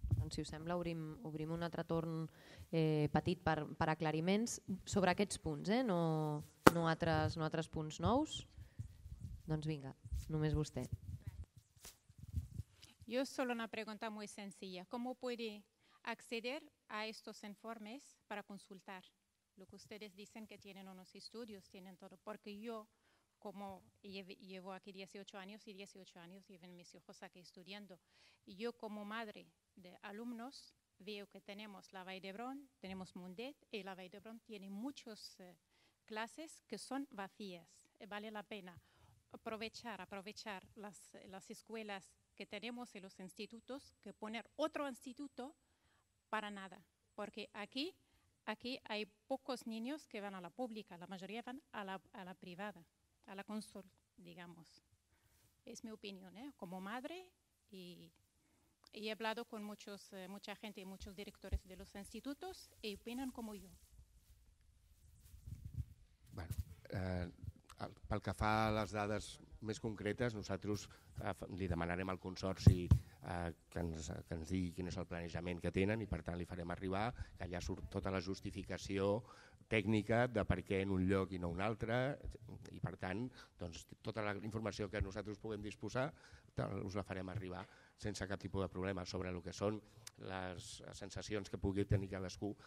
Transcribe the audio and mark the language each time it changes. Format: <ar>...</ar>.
<ca>Si us sembla, obrim un altre torn petit per aclariments sobre aquests punts, no altres punts nous. Doncs vinga, només vostè.</ca> <es>Yo solo una pregunta muy sencilla. ¿Cómo puede acceder a estos informes para consultar? Lo que ustedes dicen que tienen unos estudios, tienen todo. Porque yo, como llevo aquí 18 años y 18 años llevan mis hijos aquí estudiando, yo como madre de alumnos veo que tenemos la Vall-d'Hebron, tenemos Mundet, y la Vall-d'Hebron tiene muchas clases que son vacías. Vale la pena aprovechar las escuelas que tenemos y los institutos, que poner otro instituto para nada. Porque aquí hay pocos niños que van a la pública, la mayoría van a la privada, a la consul, digamos. Es mi opinión, como madre, y he hablado con mucha gente y muchos directores de los institutos y opinan como yo.</es> <ca>Bueno, pel que fa a les dades més concretes, nosaltres li demanarem al Consorci que ens digui quin és el planejament que tenen i per tant li farem arribar que allà surt tota la justificació tècnica de per què en un lloc i no un altre i per tant doncs, tota la informació que nosaltres puguem disposar us la farem arribar sense cap tipus de problema sobre el que són les sensacions que pugui tenir cadascú.</ca>